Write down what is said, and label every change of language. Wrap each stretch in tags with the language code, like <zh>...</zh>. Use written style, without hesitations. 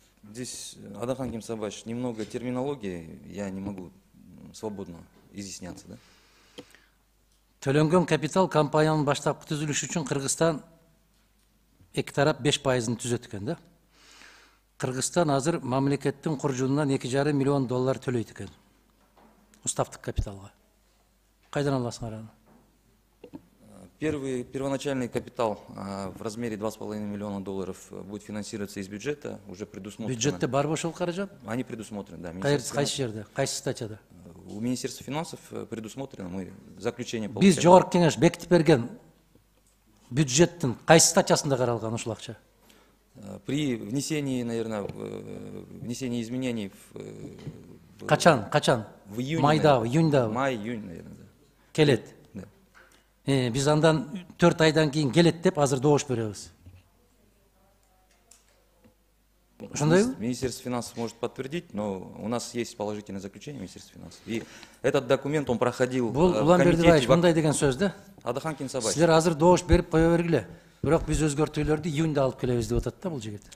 <ru>Здесь Адахан Кимсанбаевич, немного терминологии, я не могу свободно изъясняться, да?</ru> <ky>Төлөнгөн капитал компаниянын баштапкы түзүлүшү үчүн Кыргызстан эки тарап 5% түзөткөн, да? Кыргызстан азыр мамлекеттин куржунунан 2,5 миллион доллар төлөйт экен уставтык капиталга. Кайдан аласыңар аны?</ky> <ru>Первоначальный капитал в размере 2,5 миллиона долларов будет финансироваться из бюджета, уже предусмотрено.</ru> <ky>Бюджетте бар ошол каражат?</ky> <ru>Они предусмотрены, да.</ru> <ky>Кайсы жерде? Кайсы статьяда?</ky> <ru>У Министерства финансов предусмотрено, мы заключение получили.</ru> <ky>Биз жогорку кеңеш бекитип берген бюджеттин кайсы статьясында каралган ушул акча?</ky> <ru>При внесении, наверное, внесении изменений в...</ru> <ky>Качан?</ky> <ru>В июне.</ru> <ky>Майда,</ky> <ru>в июнь, да. Май, июнь, наверное, да.</ru> <ky>Келет?</ky> <ru>Да.</ru> <ky>Биз андан 4 айдан кийин келет деп азыр добуш беребиз. Ушундайбы?</ky> <ru>Министерство финансов может подтвердить, но у нас есть положительное заключение Министерства финансов. И этот документ, он проходил...</ru> <ky>Бул Улан Бердибаевич, мындай деген сөз, да? Адахан Кимсанбаевич. Силер азыр добуш берип кое бергиле. Бирок биз өзгөртүүлөрдү июнда алып келебиз деп атат да бул жигит.</ky>